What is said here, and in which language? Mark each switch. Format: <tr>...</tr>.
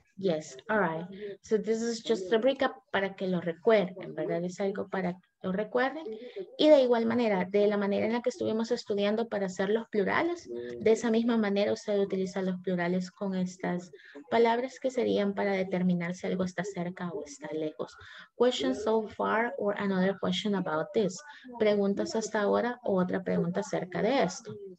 <en>Yes, all right. So this is just a recap</en> <es>para que lo recuerden, ¿verdad? Es algo para que lo recuerden. Y de igual manera, de la manera en la que estuvimos estudiando para hacer los plurales, de esa misma manera usted utiliza los plurales con estas palabras que serían para determinar si algo está cerca o está lejos.</es> <en>Question so far or another question about this.</en> <es>¿Preguntas hasta ahora o otra pregunta acerca de esto?</es>